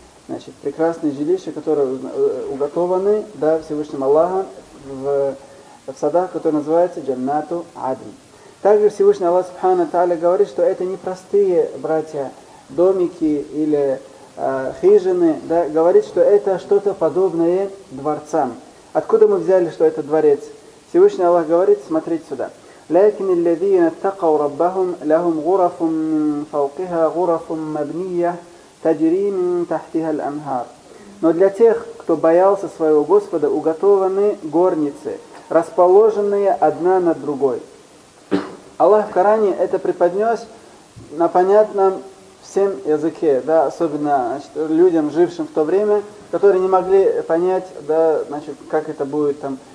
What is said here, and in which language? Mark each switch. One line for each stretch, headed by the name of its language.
Russian: Значит, прекрасные жилища, которые уготованы, да, Всевышним Аллахом в садах, которые называются Джаннату Адн. Также Всевышний Аллах Субхана Тааля говорит, что это не простые, братья, домики или хижины, да, говорит, что это что-то подобное дворцам. Откуда мы взяли, что это дворец? Всевышний Аллах говорит, смотрите сюда.
Arabic: لكن الذين اتقوا ربهم لهم غرف من فوقها غرف مبنية تجري من تحتها الأنهار.
Russian: Но для тех, кто боялся своего Господа, уготованы горницы, расположенные одна над другой. Аллах в Коране это преподнес на понятном всем языке, да, особенно, значит, людям, жившим в то время, которые не могли понять, да, значит, как это будет там.